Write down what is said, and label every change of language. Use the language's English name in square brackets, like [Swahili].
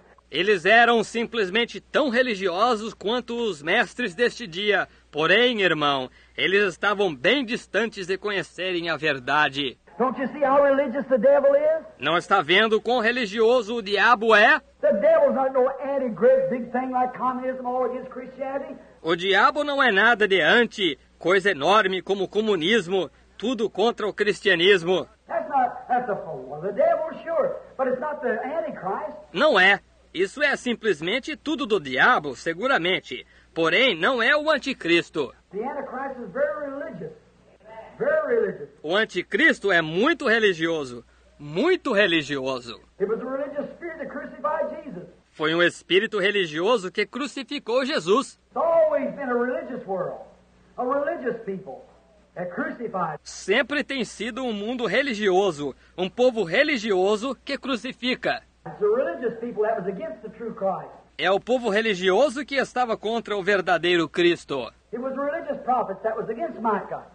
[Portuguese] Eles eram simplesmente tão religiosos quanto os mestres deste dia. Porém, irmão, eles estavam bem distantes de conhecerem a verdade. [English] Don't you see how religious the devil is? [Portuguese] Não está vendo quão religioso o diabo é? [English] The devil's not no anti-great big thing like communism or against Christianity. [Portuguese] O diabo não é nada de anti, coisa enorme como o comunismo, tudo contra o cristianismo. [English] That's a fool. The devil, sure, but it's not the antichrist. [Portuguese] Não é. Isso é simplesmente tudo do diabo, seguramente. Porém, não é o anticristo. [English] The antichrist is very religious. Very religious. [Portuguese] O anticristo é muito religioso. Muito religioso. [English] It was a religious spirit that crucified Jesus. [Portuguese] Foi um espírito religioso que crucificou Jesus. [English] It's always been a religious world. A religious people that crucified. [Portuguese] Sempre tem sido um mundo religioso. Um povo religioso que crucifica. [English] It's the religious people that was against the true Christ. [Portuguese] É o povo religioso que estava contra o verdadeiro Cristo. [English] It was religious prophets that was against Micah.